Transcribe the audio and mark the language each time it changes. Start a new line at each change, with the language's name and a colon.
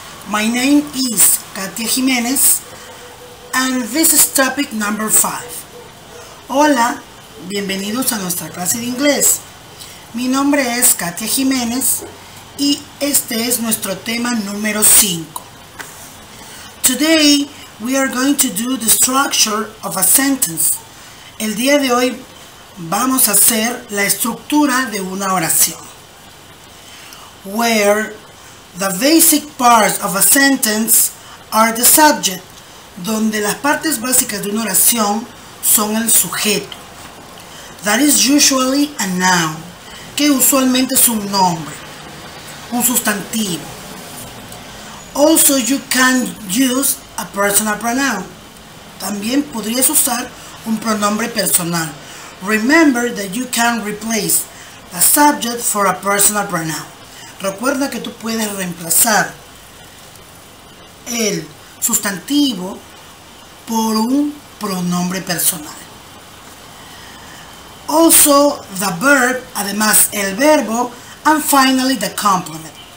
English: My name is Katia Jiménez and this is topic number 5.
Spanish: Hola, bienvenidos a nuestra clase de inglés. Mi nombre es Katia Jiménez y este es nuestro tema número 5.
English: Today we are going to do the structure of a sentence.
Spanish: El día de hoy vamos a hacer la estructura de una oración.
English: Where the basic parts of a sentence are the subject,
Spanish: donde las partes básicas de una oración son el sujeto.
English: That is usually a noun,
Spanish: que usualmente es un nombre, un sustantivo.
English: Also you can use a personal pronoun.
Spanish: También podrías usar un pronombre personal.
English: Remember that you can replace the subject for a personal pronoun.
Spanish: Recuerda que tú puedes reemplazar el sustantivo por un pronombre personal.
English: Also, the verb,
Spanish: además el verbo,
English: and finally the complement.